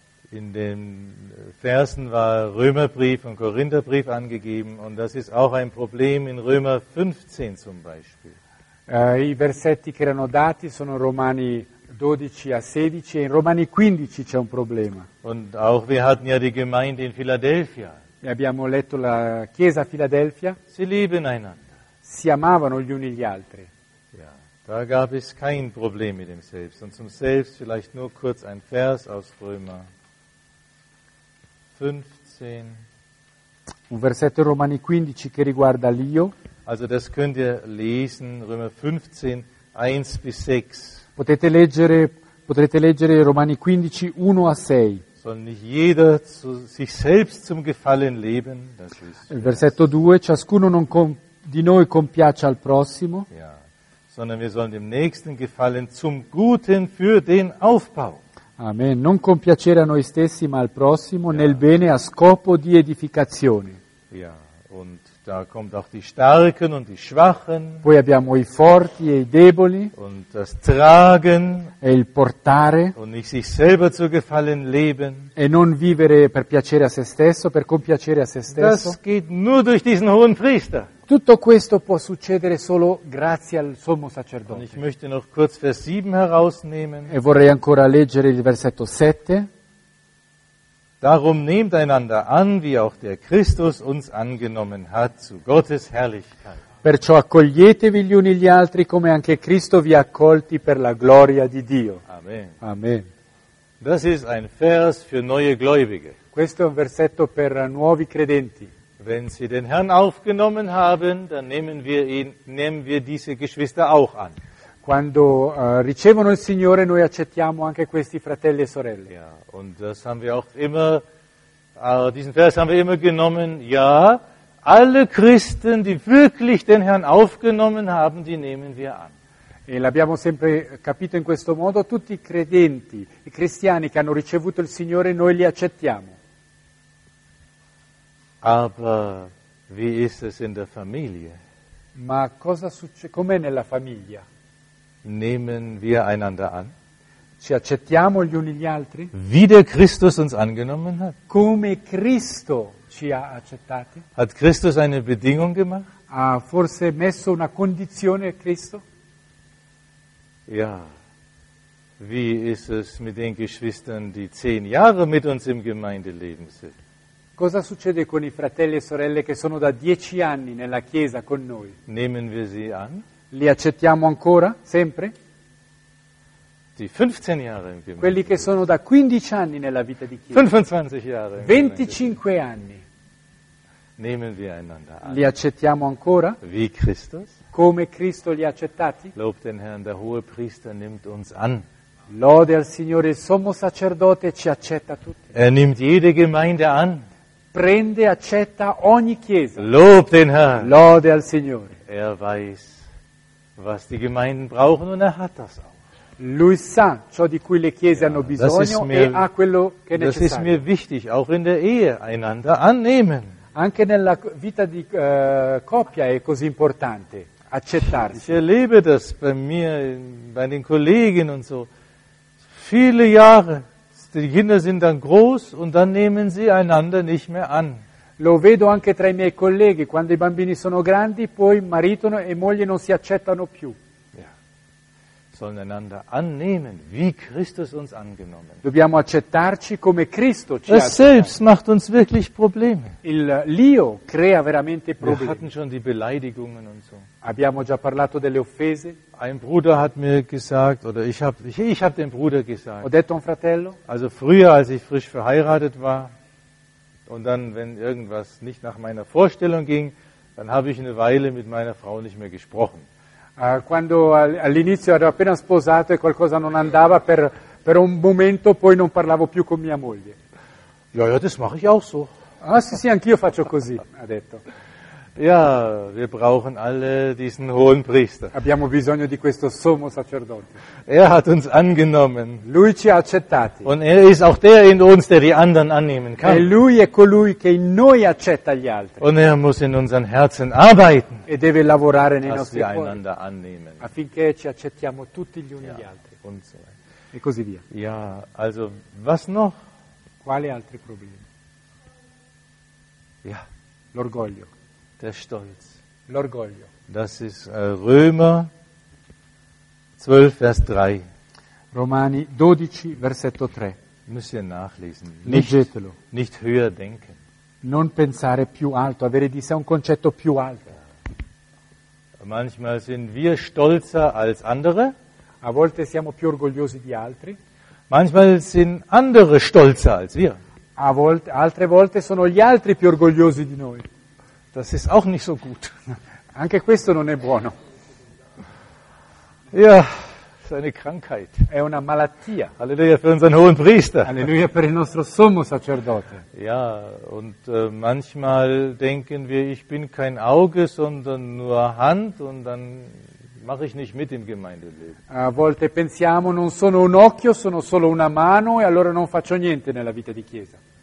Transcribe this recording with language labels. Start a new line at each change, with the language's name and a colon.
German: In den Versen war Römerbrief und Korintherbrief angegeben und das ist auch ein Problem in Römer 15 zum Beispiel.
Italian: I versetti che erano dati sono Romani 12 a 16 e in Romani 15 c'è un problema.
German: Und auch wir hatten ja die Gemeinde in Philadelphia.
Italian: E abbiamo letto la chiesa a Philadelphia.
German: Si lieben einander.
Italian: Si amavano gli uni gli altri.
German: Ja, da gab es kein Problem mit dem Selbst. Und zum Selbst vielleicht nur kurz ein Vers aus Römer 15.
Italian: Un versetto in Romani 15 che riguarda l'io.
German: Also das könnt ihr lesen, Römer 15, 1 bis 6.
Italian: Potrete leggere Romani 15, 1 a 6.
German: Soll nicht jeder zu sich selbst zum Gefallen leben? Das ist
Italian: il versetto 2, ciascuno non di noi compiaccia al prossimo.
German: Ja, sondern wir sollen dem Nächsten gefallen zum Guten für den Aufbau. Amen.
Italian: Non compiacere a noi stessi, ma al prossimo, ja. Nel bene a scopo di edificazione.
German: Ja, und da kommt auch die Starken und die Schwachen.
Italian: Poi abbiamo i forti e i deboli.
German: Und das Tragen.
Italian: E il portare.
German: Und nicht sich selber zu gefallen leben.
Italian: E non vivere per piacere a se stesso, per compiacere a se stesso.
German: Das geht nur durch diesen hohen Priester.
Italian: Tutto questo può succedere solo grazie al sommo sacerdote.
German: Und ich möchte noch kurz Vers 7 herausnehmen.
Italian: E vorrei ancora leggere il versetto 7.
German: Darum nehmt einander an, wie auch der Christus uns angenommen hat zu Gottes Herrlichkeit.
Italian: Perciò accoglietevi gli uni gli altri come anche Cristo vi ha accolti per la gloria di Dio. Amen. Amen.
German: Das ist ein Vers für neue Gläubige.
Italian: Questo è un versetto per nuovi credenti.
German: Wenn sie den Herrn aufgenommen haben, dann nehmen wir diese Geschwister auch an.
Italian: Quando ricevono il Signore, noi accettiamo anche questi fratelli e sorelle.
German: Ja, und das haben wir auch immer, diesen Vers haben wir immer genommen, ja, alle Christen, die wirklich den Herrn aufgenommen haben, die nehmen wir an.
Italian: E l'abbiamo sempre capito in questo modo, tutti i credenti, i cristiani che hanno ricevuto il Signore, noi li accettiamo.
German: Aber wie ist es in der Familie?
Italian: Ma cosa succede, com'è nella famiglia?
German: Nehmen wir einander an?
Italian: Ci accettiamo gli uni gli altri?
German: Wie der Christus uns angenommen hat?
Italian: Come Cristo ci ha accettati?
German: Hat Christus eine Bedingung gemacht?
Italian: Ha forse messo una condizione a Cristo?
German: Ja. Wie ist es mit den Geschwistern, die 10 Jahre mit uns im Gemeindeleben sind?
Italian: Cosa succede con i fratelli e sorelle che sono da 10 anni nella Chiesa con noi?
German: Nehmen wir sie an?
Italian: Li accettiamo ancora, sempre?
German: Die 15 Jahre im Gemeinde.
Italian: Quelli che sono da 15 anni nella vita di Chiesa.
German: 25 Jahre.
Italian: 25 anni.
German: Nehmen wir einander an.
Italian: Li accettiamo ancora?
German: Wie Christus?
Italian: Come Cristo li ha accettati?
German: Lob den Herrn, der hohe Priester nimmt uns an.
Italian: Lode al Signore, il sommo sacerdote ci accetta tutti.
German: Er nimmt jede Gemeinde an.
Italian: Prende, accetta ogni chiesa.
German: Lob den Herrn.
Italian: Lode al Signore.
German: Er weiß, was die Gemeinden brauchen und er hat das auch.
Italian: Lui sa ciò di cui le chiese hanno bisogno
German: mir,
Italian: e ha quello che è necessario.
German: Das ist mir wichtig, auch in der Ehe einander annehmen.
Italian: Anche nella vita di coppia è così importante accettarsi.
German: Ich erlebe das bei mir, bei den Kollegen und so. Viele Jahre, die Kinder sind dann groß und dann nehmen sie einander nicht mehr an.
Italian: Lo vedo anche tra i miei colleghi, quando i bambini sono grandi, poi marito e moglie non si accettano più.
German: Ja. Sollen einander annehmen, wie Christus uns angenommen.
Italian: Dobbiamo accettarci come Cristo ci ha accettato.
German: Das selbst macht uns wirklich Probleme.
Italian: L'io crea veramente problemi.
German: Wir hatten schon die Beleidigungen und so.
Italian: Abbiamo già parlato delle offese.
German: Ein Bruder hat mir gesagt, oder ich hab dem Bruder gesagt.
Italian: Ho detto un fratello.
German: Also früher, als ich frisch verheiratet war, und dann, wenn irgendwas nicht nach meiner Vorstellung ging, dann habe ich eine Weile mit meiner Frau nicht mehr gesprochen.
Italian: Quando all'inizio ero appena sposato e qualcosa non andava per un momento, poi non parlavo più con mia moglie.
German: Ja, das mache ich auch so.
Italian: Ah, sì, anch'io faccio così, ha detto.
German: Ja, wir brauchen alle diesen hohen Priester.
Italian: Abbiamo bisogno di questo sommo sacerdote.
German: Er hat uns angenommen.
Italian: Lui ci ha accettati.
German: Und er ist auch der in uns, der die anderen annehmen kann.
Italian: E lui è colui che in noi accetta gli altri.
German: Und er muss in unseren Herzen arbeiten.
Italian: E deve lavorare nei nostri cuori.
German: Einander annehmen.
Italian: Affinché ci accettiamo tutti gli uni gli altri.
German: Und so.
Italian: E così via.
German: Ja, also was noch?
Italian: Quali altri problemi?
German: Ja,
Italian: l'orgoglio.
German: Der Stolz.
Italian: L'orgoglio.
German: Das ist Römer 12, Vers 3.
Italian: Romani 12, Versetto 3.
German: Müsst ihr nachlesen.
Italian: Leggetelo.
German: Nicht höher denken.
Italian: Non pensare più alto, avere di sé un concetto più alto.
German: Ja. Manchmal sind wir stolzer als andere.
Italian: A volte siamo più orgogliosi di altri.
German: Manchmal sind andere stolzer als wir.
Italian: A volte, altre volte sono gli altri più orgogliosi di noi.
German: Das ist auch nicht so gut.
Italian: Anche questo non è buono.
German: Ja, ist eine Krankheit.
Italian: È una malattia.
German: Halleluja für unseren hohen Priester.
Italian: Halleluja per il nostro sommo sacerdote.
German: Ja, und manchmal denken wir, ich bin kein Auge, sondern nur Hand, und dann mache ich nicht mit im Gemeindeleben.
Italian: A volte pensiamo, non sono un occhio, sono solo una mano, e allora non faccio niente nella vita di chiesa.